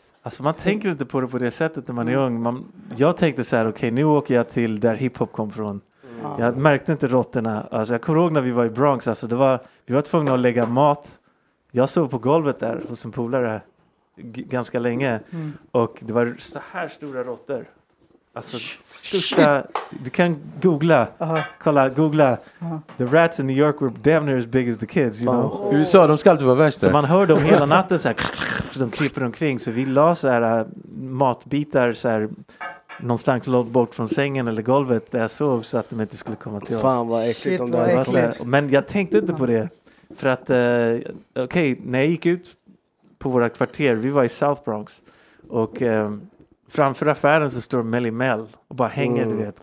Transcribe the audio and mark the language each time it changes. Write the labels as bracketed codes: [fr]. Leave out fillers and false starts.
[sv] Alltså man tänker inte på det på det sättet när man är ung. Jag tänkte så här, okej, nu åker jag till där hiphop kom från. Jag märkte inte råttorna. Alltså jag kommer ihåg när vi var i Bronx. Alltså det var, vi var tvungna att lägga mat. Jag sov på golvet där hos en polare ganska länge. Och det var så här stora råttor. Alltså största, du kan googla. Kolla, googla. [en] The rats in New York were damn near as big as the kids, you know. [sv] I USA, de ska alltid vara värst. Så man hör dem hela natten så här, så de kryper omkring. Så vi la så här matbitar så här någonstans långt bort från sängen eller golvet där jag sov, så att de inte skulle komma till oss. Fan vad äckligt. Shit, vad äckligt. Men jag tänkte inte på det. För att, okej, okay, när jag gick ut på våra kvarter, vi var i South Bronx, och framför affären så står Melly Mel och bara hänger, du vet.